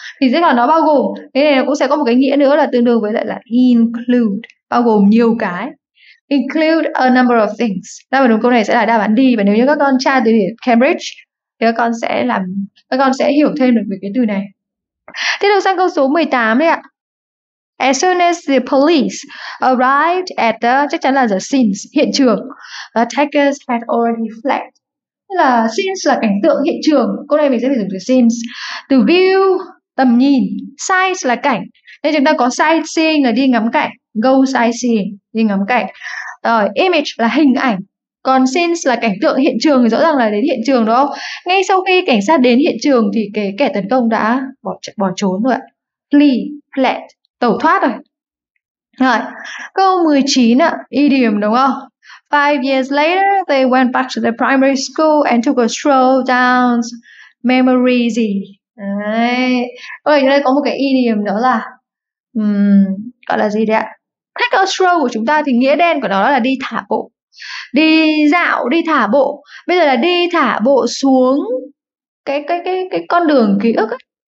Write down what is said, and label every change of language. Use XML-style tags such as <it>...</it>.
<vi>Thì sẽ còn nó bao gồm, thế này cũng sẽ có một cái nghĩa nữa là tương đương với lại là include, bao gồm nhiều cái.</vi> <en>Include a number of things.</en> <vi>Đáp án đúng câu này sẽ là đáp án D. Và nếu như các con tra từ điển Cambridge thì các con sẽ hiểu thêm được về cái từ này. Tiếp tục sang câu số 18 đấy ạ.</vi> <en>As soon as the police arrived at the,</en> <vi>chắc chắn là</vi> <en>the scenes,</en> <vi>hiện trường,</vi> <en>the attackers had already fled.</en> <vi>Tức là scenes là cảnh tượng, hiện trường. Câu này mình sẽ phải dùng từ scenes. Từ view, tầm nhìn. Sight là cảnh. Nên chúng ta có sightseeing là đi ngắm cảnh.</vi> <en>Go sightseeing,</en> <vi>đi ngắm cảnh. Rồi, image là hình ảnh. Còn scenes là cảnh tượng hiện trường thì rõ ràng là đến hiện trường đúng không? Ngay sau khi cảnh sát đến hiện trường thì cái kẻ tấn công đã bỏ trốn rồi ạ. Flee, fled, tẩu thoát rồi. Rồi, câu 19 ạ, idiom đúng không?</vi> <en>5 years later, they went back to the primary school and took a stroll down memory Z.</en> <vi>Đấy. Ở đây có một cái idiom đó là gọi là gì đấy ạ?</vi> <en>Take a stroll</en> <vi>của chúng ta thì nghĩa đen của nó là đi thả bộ, đi dạo, đi thả bộ. Bây giờ là đi thả bộ xuống cái con đường ký ức ấy.</vi>